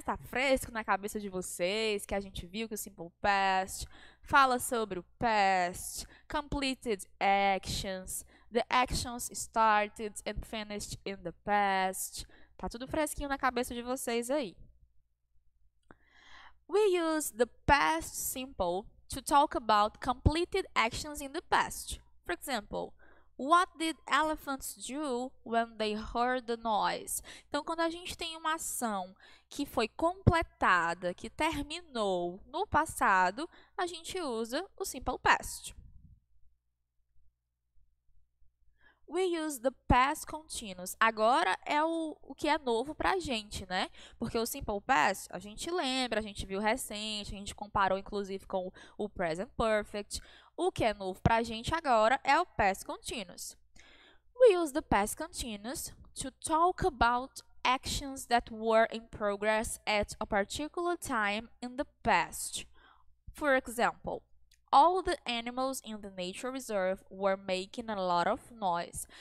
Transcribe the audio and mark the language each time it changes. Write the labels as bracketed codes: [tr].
[pt] Tá fresco na cabeça de vocês que a gente viu que o simple past fala sobre o past, [en] completed actions, the actions started and finished in the past. [pt] Tá tudo fresquinho na cabeça de vocês aí. [en] We use the past simple to talk about completed actions in the past. For example, what did elephants do when they heard the noise? [pt] Então, quando a gente tem uma ação que foi completada, que terminou no passado, a gente usa o simple past. [en] We use the past continuous. [pt] Agora é o que é novo pra gente, né? Porque o simple past, a gente lembra, a gente viu recente, a gente comparou, inclusive, com o present perfect. O que é novo pra gente agora é o past continuous. [en] We use the past continuous to talk about actions that were in progress at a particular time in the past. For example, all the animals in the nature reserve were making a lot of noise.